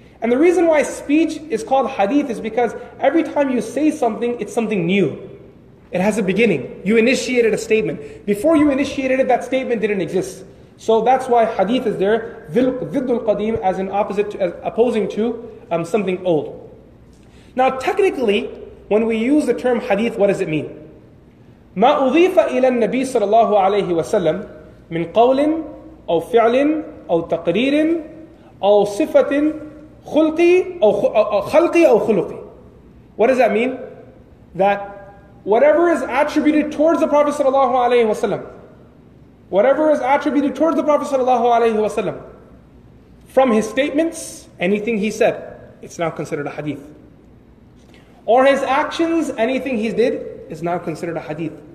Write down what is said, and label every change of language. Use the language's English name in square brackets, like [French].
[English] And the reason why speech is called hadith is because every time you say something, it's something new. It has a beginning. You initiated a statement. Before you initiated it, that statement didn't exist. So that's why hadith is there, [Arabic] ziddul qadim, [English] as opposing to something old. Now technically, when we use the term hadith, what does it mean? [Arabic] ما أضيف إلى النبي صلى الله عليه وسلم من قول أو فعل أو تقرير أو صفة خلقي أو خلقي أو خلقي. [English] What does that mean? That whatever is attributed towards the Prophet [Arabic] صلى الله عليه وسلم, [English] whatever is attributed towards the Prophet sallallahu alayhi wa sallam, from his statements, anything he said, it's now considered a hadith. Or his actions, anything he did, is now considered a hadith.